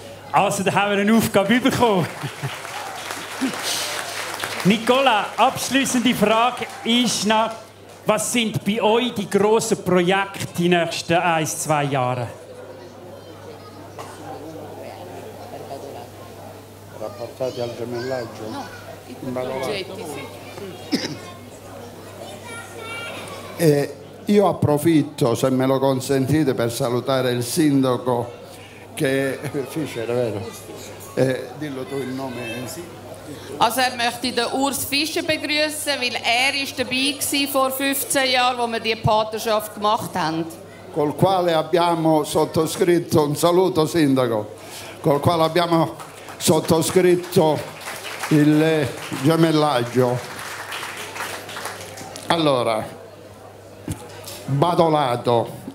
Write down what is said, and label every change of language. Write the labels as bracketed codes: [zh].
[de] Also, da haben wir eine Aufgabe bekommen. Nicola, abschließende Frage ist noch, was sind bei euch die grossen Projekte die nächsten 1-2 Jahre? [it] Portati al gemellaggio? No, io approfitto, se me lo consentite, per salutare il sindaco che Fischer, vero? Dillo tu il nome. [de] Also er möchte den Urs Fischer begrüßen, weil er ist dabei gsi vor 15 Jahren, wo wir die Patenschaft gemacht haben. [it] Col quale abbiamo sottoscritto un saluto sindaco, col quale abbiamo sottoscritto il gemellaggio. Allora, Badolato,